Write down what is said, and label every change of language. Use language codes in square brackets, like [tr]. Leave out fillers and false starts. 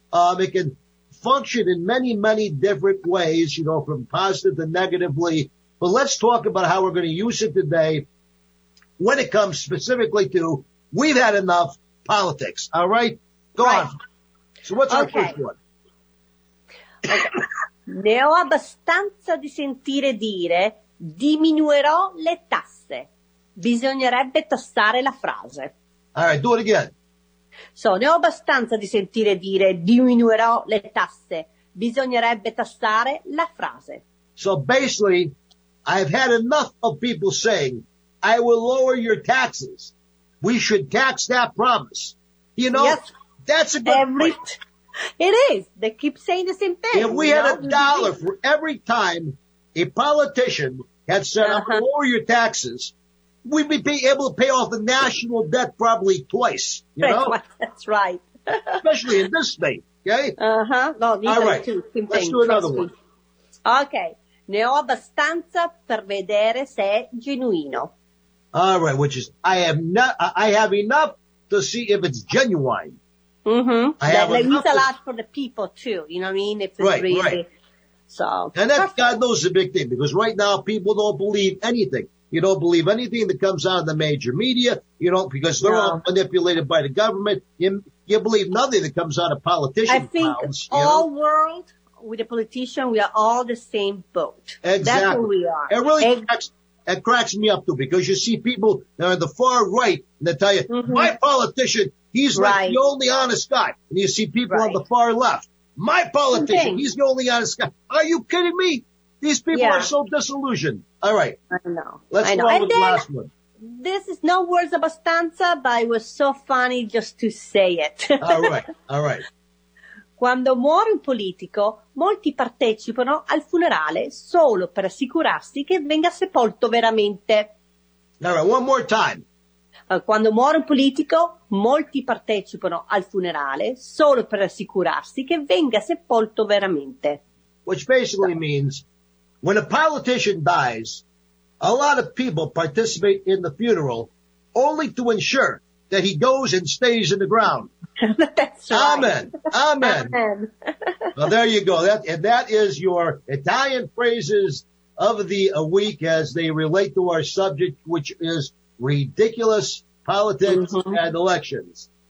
[en] It can function in many, many different ways, you know, from positive to negatively. But let's talk about how we're going to use it today when it comes specifically to we've had enough politics. All right. Go on. So what's our first one? [it] Ne ho abbastanza di sentire dire diminuirò le tasse. Bisognerebbe tassare la frase. [en] All right. Do it again. [it] So ne ho abbastanza di sentire dire diminuirò le tasse. Bisognerebbe tassare la frase. [en] So basically, I've had enough of people saying I will lower your taxes. We should tax that promise. You know, that's a good point. It is. They keep saying the same thing. If we had a dollar for every time a politician had said, I'm going to lower your taxes, we'd be able to pay off the national debt probably twice. You know? That's right. Especially in this state. Okay? Uh-huh. No, all right. Let's do another one. Okay. [it] Ne ho abbastanza per vedere se è genuino. [en] All right, which is I have enough to see if it's genuine. Mm-hmm. That means a lot for the people too. You know what I mean? If it's right, really right. So. And that God knows the big thing because right now people don't believe anything. You don't believe anything that comes out of the major media, you know, because they're all manipulated by the government. You believe nothing that comes out of politicians. I think mouths, all world with a politician, we are all the same boat. Exactly. That's who we are. It really cracks me up, too, because you see people that are on the far right and they tell you, my politician, he's like the only honest guy. And you see people on the far left. My politician, he's the only honest guy. Are you kidding me? These people are so disillusioned. All right. Let's go on with the last one. This is no words abbastanza, but it was so funny just to say it. All right. [it] Quando muore un politico, molti partecipano al funerale solo per assicurarsi che venga sepolto veramente. [en] All right, one more time. [it] Quando muore un politico, molti partecipano al funerale solo per assicurarsi che venga sepolto veramente. [en] Which basically means, when a politician dies, a lot of people participate in the funeral only to ensure that he goes and stays in the ground. Amen. Well, there you go. That is your Italian phrases of the week as they relate to our subject, which is ridiculous politics and elections.